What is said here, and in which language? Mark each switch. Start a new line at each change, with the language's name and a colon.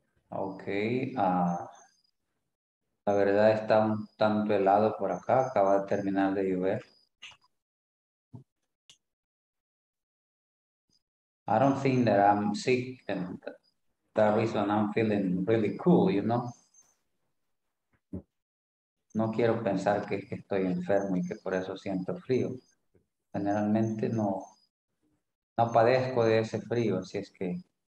Spanish: Okay, la verdad está un tanto helado por acá, acaba de terminar de llover.
English: I don't think that I'm sick, and that reason I'm feeling really cool, you know?
Spanish: No quiero pensar que estoy enfermo y que por eso siento frío. Generalmente no. No padezco de ese frío, así es que.